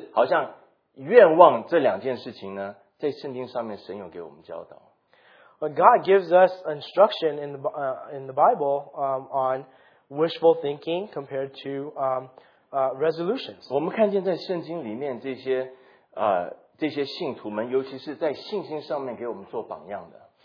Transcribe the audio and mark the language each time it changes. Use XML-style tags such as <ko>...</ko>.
<zh>那立志这件事情跟盼望这件事情，不是盼望，就是好像愿望这两件事情呢， 在圣经上面神有给我们教导。</zh> <en>But God gives us instruction in the Bible on wishful thinking compared to resolutions.</en> <zh>我们看见在圣经里面这些 这些信徒们，尤其是在信心上面给我们做榜样的。</zh>